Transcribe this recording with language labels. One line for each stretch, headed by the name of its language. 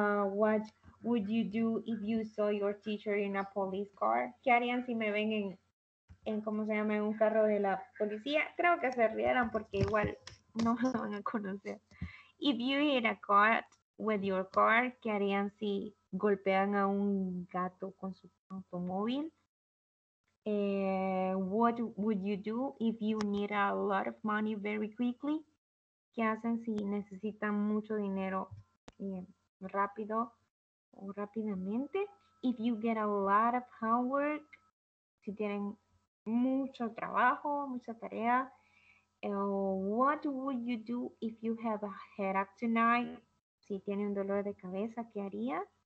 English: What would you do if you saw your teacher in a police car?
Spanish: ¿Qué harían si me ven en cómo se llama, en un carro de la policía? Creo que se rieran porque igual no se van a conocer.
English: If you hit a cat with your car,
Spanish: ¿qué harían si golpean a un gato con su automóvil?
English: What would you do if you need a lot of money very quickly?
Spanish: ¿Qué hacen si necesitan mucho dinero rápido o rápidamente?
English: If you get a lot of homework,
Spanish: si tienen mucho trabajo, mucha tarea.
English: What would you do if you have a headache tonight?
Spanish: Si tiene un dolor de cabeza, ¿qué haría?